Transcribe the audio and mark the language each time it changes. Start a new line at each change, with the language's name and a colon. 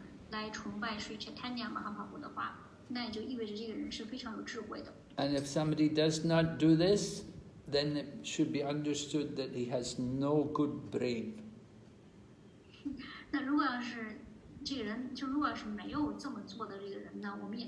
Chinese: 来崇拜水切坦尼亚马哈帕布的话,
English: and if somebody does not do this, then it should be understood that he has no good brain.
Chinese: 那如果要是这个人,就如果是没有这么做的这个人呢,